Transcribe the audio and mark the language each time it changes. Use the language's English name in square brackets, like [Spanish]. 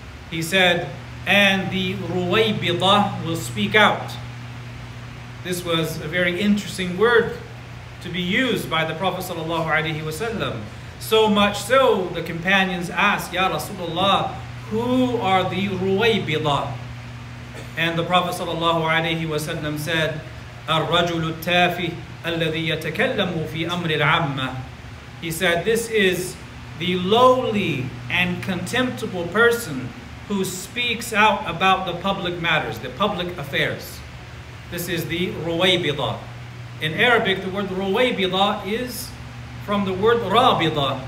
[English] He said, and the ruwaybidah will speak out. This was a very interesting word to be used by the Prophet sallallahu alaihi wasallam. So much so, the companions asked, Ya Rasulullah, who are the ruwaybidah? And the Prophet sallallahu alaihi wasallam said, [Arabic] الرجل التافي الذي يتكلم في أمر العامة. [English] He said, this is the lowly and contemptible person who speaks out about the public matters, the public affairs. This is the ruwaybida. In Arabic, the word ruwaybida is from the word rabida.